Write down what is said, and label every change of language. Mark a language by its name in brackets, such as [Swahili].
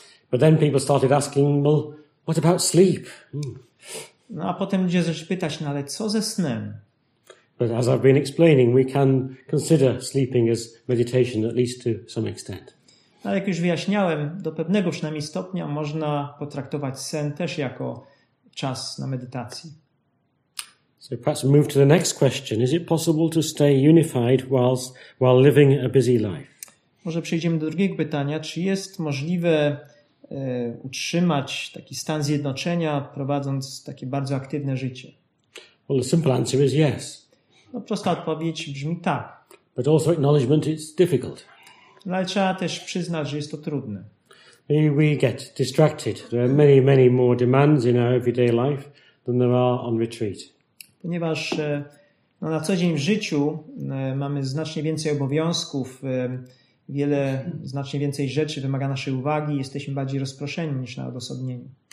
[English] But then people started asking, well, what about sleep? [Polish] No a potem ludzie zaczęli pytać, no ale co ze snem? [English] But as I've been explaining, we can consider sleeping as meditation at least to some extent. [Polish] Ale jak już wyjaśniałem, do pewnego przynajmniej stopnia można potraktować sen też jako czas na medytacji. [English] So perhaps move to the next question. Is it possible to stay unified while living a busy life? [Polish] Może przejdziemy do drugiego pytania. Czy jest możliwe utrzymać taki stan zjednoczenia, prowadząc takie bardzo aktywne życie? [English] Well, the simple answer is yes. [Polish] No, prosta odpowiedź brzmi tak. [English] But also acknowledgement it's difficult. [Polish] No, ale trzeba też przyznać, że jest to trudne. [English] We get distracted. There are many, many more demands in our everyday life than there are on retreat. [Polish] Ponieważ no, na co dzień w życiu mamy znacznie więcej obowiązków, wiele, znacznie więcej rzeczy wymaga naszej uwagi, jesteśmy bardziej rozproszeni niż na odosobnieniu.